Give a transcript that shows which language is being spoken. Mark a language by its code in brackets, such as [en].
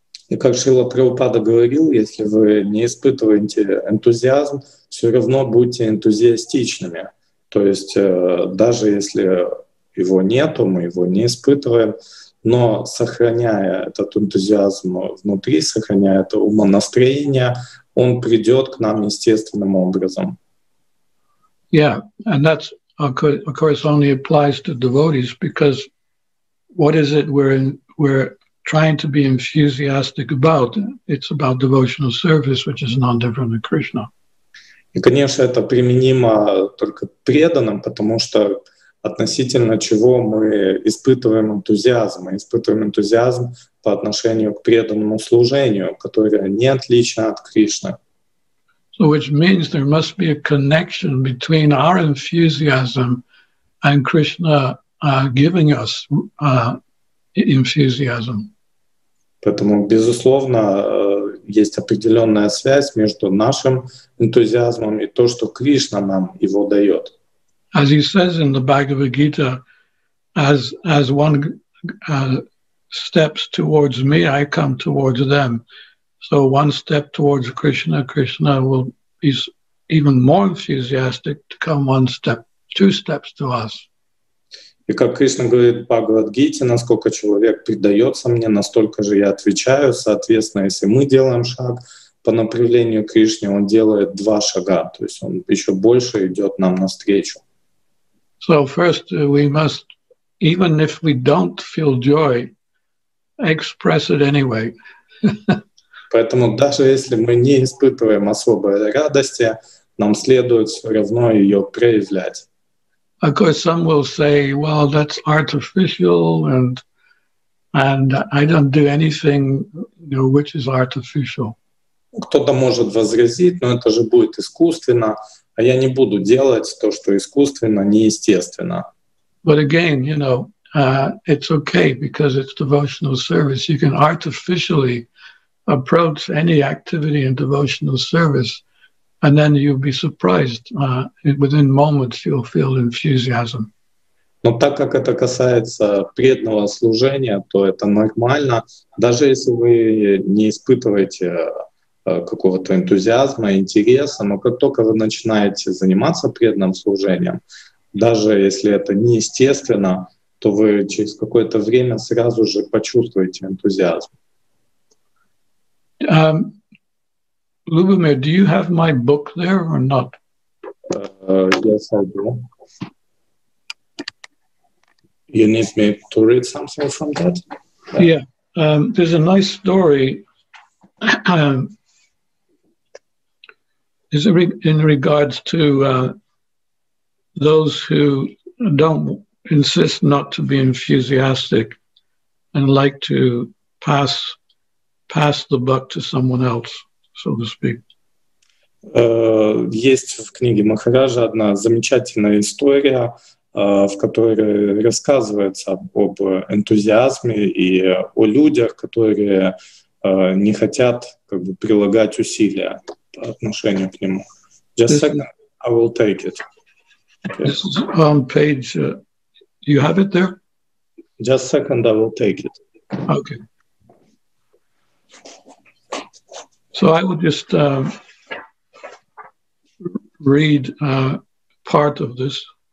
[ru] И как Шрила Прабхупада говорил, если вы не испытываете энтузиазм, все равно будьте энтузиастичными. То есть даже если его нету, мы его не испытываем, но сохраняя этот энтузиазм внутри, сохраняя это умонастроение, он придет к нам естественным образом. [en] Yeah, and that's of course only applies to devotees, because what is it we're trying to be enthusiastic about? It's about devotional service, which is not different than Krishna. [ru] И, конечно, это применимо только преданным, потому что относительно чего мы испытываем энтузиазм? Мы испытываем энтузиазм по отношению к преданному служению, которое не отлично от Кришны. [en] So which means there must be a connection between our enthusiasm and Krishna giving us enthusiasm. [ru] Поэтому, безусловно, есть определенная связь между нашим энтузиазмом и то, что Кришна нам его дает. [en] As he says in the Bhagavad Gita, as one steps towards me, I come towards them. So one step towards Krishna will be even more enthusiastic to come one step, two steps to us. [ru] И как Кришна говорит в Бхагавад-гите, насколько человек предается мне, настолько же я отвечаю. Соответственно, если мы делаем шаг по направлению к Кришне, он делает два шага, то есть он еще больше идет нам навстречу. [en] So first we must, even if we don't feel joy, express it anyway. [ru] Поэтому даже если мы не испытываем особой радости, нам следует все равно ее проявлять. [en] Of course, some will say, "Well, that's artificial, and I don't do anything, you know, which is artificial." [ru] Кто-то может возразить, но это же будет искусственно, а я не буду делать то, что искусственно, неестественно. [en] But again, you know, it's okay because it's devotional service. You can artificially approach any activity in devotional service. And then you'll be surprised. Within moments, you'll feel enthusiasm. [ru] Но так как это касается преданного служения, то это нормально. Даже если вы не испытываете какого-то энтузиазма, интереса, но как только вы начинаете заниматься преданным служением, даже если это неестественно, то вы через какое-то время сразу же почувствуете энтузиазм. [en] Lubomir, do you have my book there or not? Yes, I do. You need me to read something from that? Yeah. There's a nice story in regards to those who don't insist not to be enthusiastic and like to pass the buck to someone else. So to speak. [ru] Есть в книге Махараджа одна замечательная история, в которой рассказывается об энтузиазме и о людях, которые не хотят как бы прилагать усилия по отношению к нему. [en] Just a second, I will take it. This is on page, do you have it there? Just a second, I will take it. Okay. So I will just read part of this.